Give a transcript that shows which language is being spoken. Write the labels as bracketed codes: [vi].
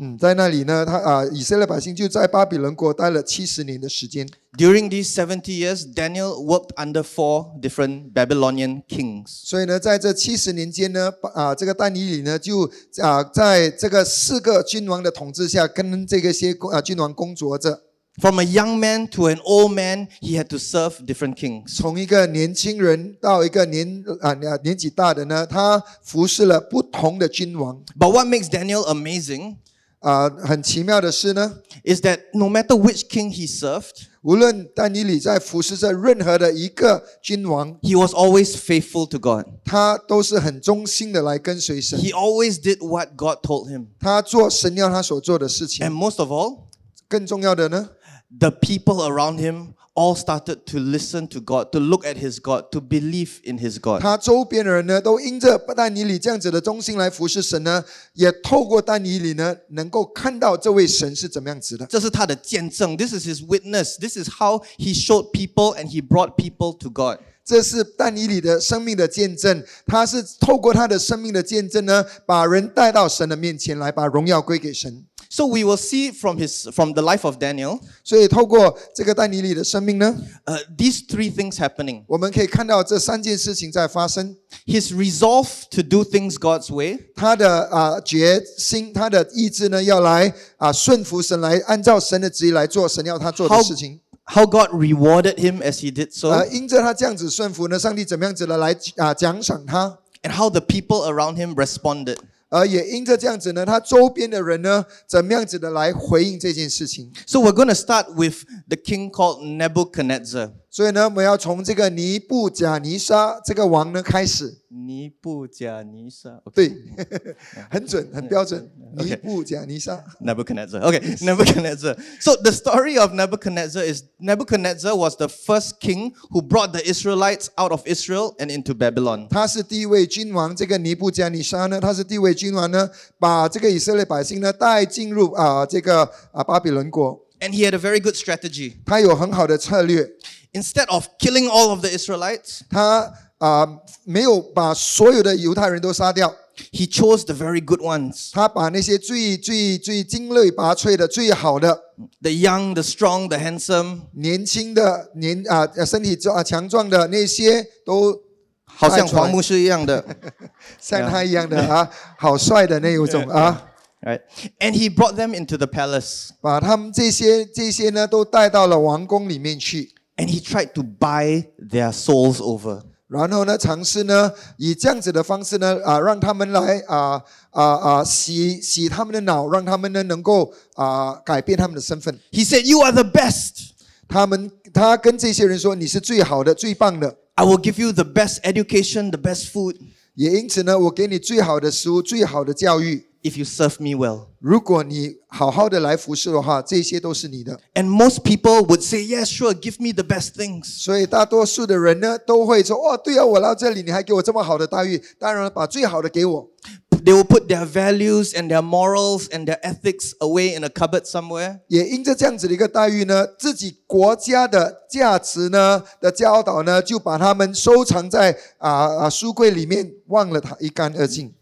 [zh] 在那里呢，以色列百姓就在巴比伦国待了70年的时间。 [en] During these 70 years, Daniel worked under 4 different Babylonian kings. [zh] 所以呢，在这70年间呢，这个丹尼里呢，就在这个四个君王的统治下，跟这个些君王工作着。 [en] From a young man to an old man, he had to serve different kings. [zh] 从一个年轻人到一个年纪大的呢，他服侍了不同的君王。 [en] But what makes Daniel amazing? [zh] 很奇妙的是呢 [en] ，is that no matter which king he served, [zh] 无论丹尼里在服侍着任何的一个君王 [en] ，he was always faithful to God. [zh] 他都是很忠心的来跟随神。 [en] He always did what God told him. [zh] 他做神要他所做的事情。 [en] And most of all. [zh] 更重要的呢？ [en] The people around him all started to listen to God, to look at his God, to believe in his God. [zh] 他周边的人呢，都因着但以理这样子的忠心来服侍神呢，也透过但以理呢，能够看到这位神是怎么样子的。这是他的见证。 [en] This is his witness. This is how he showed people and he brought people to God. [zh] 这是但以理的生命的见证。他是透过他的生命的见证呢，把人带到神的面前来，把荣耀归给神。 [en] So we will see from the life of Daniel. [zh] 所以透过这个丹尼里的生命呢 [en] ，these three things happening. [zh] 我们可以看到这三件事情在发生。 [en] His resolve to do things God's way. [zh] 他的决心，他的意志呢，要来顺服神，来按照神的旨意来做神要他做的事情。 [en] How God rewarded him as he did so. [zh] 因着他这样子顺服呢，上帝怎么样子的来奖赏他 [en] ？And how the people around him responded. [zh] 而也因着这样子呢，他周边的人呢，怎么样子的来回应这件事情 [en] ？So we're going to start with the king called Nebuchadnezzar. [zh] 所以呢，我们要从这个尼布甲尼撒这个王呢开始。尼布甲尼撒， [en] okay. [zh] 对，很准，很标准。尼布甲尼撒 [en] ，Nebuchadnezzar. Okay, Nebuchadnezzar. So the story of Nebuchadnezzar is Nebuchadnezzar was the first king who brought the Israelites out of Israel and into Babylon. [zh] 他是第一位君王，这个尼布甲尼撒呢，他是第一位君王呢，把这个以色列百姓呢带进入这个巴比伦国。 [en] And he had a very good strategy. [zh] 他有很好的策略。 [en] Instead of killing all of the Israelites, [zh] 他没有把所有的犹太人都杀掉。 [en] He chose the very good ones. [zh] 他把那些最最最精锐拔萃的最好的。 [en] The young, the strong, the handsome. [zh] 年轻的身体强壮的那些都。好像黄牧师一样的。像他一样的好帅的那一种啊。 [en] Right. And he brought them into the palace. [zh] 把他们这些呢都带到了王宫里面去。 [en] And he tried to buy their souls over. [zh] 然后呢尝试呢以这样子的方式呢让他们来洗他们的脑，让他们呢能够改变他们的身份。 [en] He said, "You are the best." [zh] 他跟这些人说你是最好的最棒的。 [en] I will give you the best education, the best food. [zh] 也因此呢我给你最好的食物最好的教育。 [en] If you serve me well, [zh] 如果你好好的来服侍的话，这些都是你的。 [en] And most people would say, "Yes, sure, give me the best things." [zh] 所以大多数的人呢，都会说，哦，对啊，我来这里，你还给我这么好的待遇，当然了，把最好的给我。 [en] They will put their values and their morals and their ethics away in a cupboard somewhere. [zh] 也因着这样子的一个待遇呢，自己国家的价值呢的教导呢，就把他们收藏在书柜里面，忘了他一干二净。